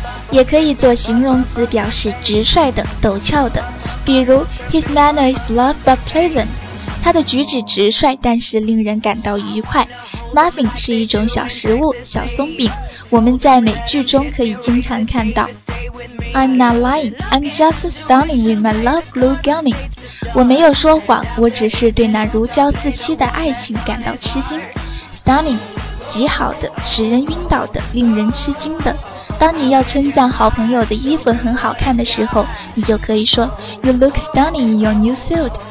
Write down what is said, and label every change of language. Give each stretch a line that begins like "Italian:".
Chinese: 也可以做形容词表示直率的、陡峭的。比如
English: His manner is bluff but pleasant，
Chinese: 他的举止直率但是令人感到愉快。 Muffin 是一种小食物、小松饼，我们在美剧中可以经常看到。
English: I'm not lying, I'm just stunning with my love blue gowning.
Chinese: 我没有说谎，我只是对那如胶似漆的爱情感到吃惊。 Stunning, 极好的，使人晕倒的，令人吃惊的。当你要称赞好朋友的衣服很好看的时候，你就可以说
English: You look stunning in your new suit.